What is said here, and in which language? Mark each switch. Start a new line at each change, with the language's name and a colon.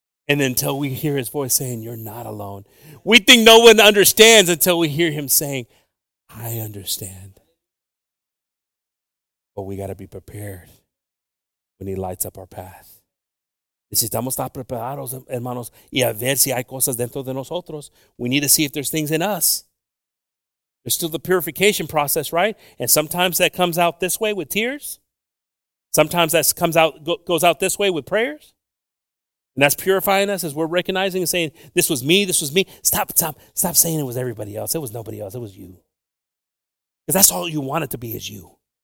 English: And until we hear his voice saying, you're not alone. We think no one understands until we hear him saying, I understand. But we got to be prepared when he lights up our path.
Spanish: Necesitamos estar preparados, hermanos, y a ver si hay cosas dentro de nosotros.
English: We need to see if there's things in us. There's still the purification process, right? And sometimes that comes out this way with tears. Sometimes that comes out goes out this way with prayers. And that's purifying us as we're recognizing and saying, this was me, this was me. Stop saying it was everybody else. It was nobody else. It was you. Because that's all you want it to be is you.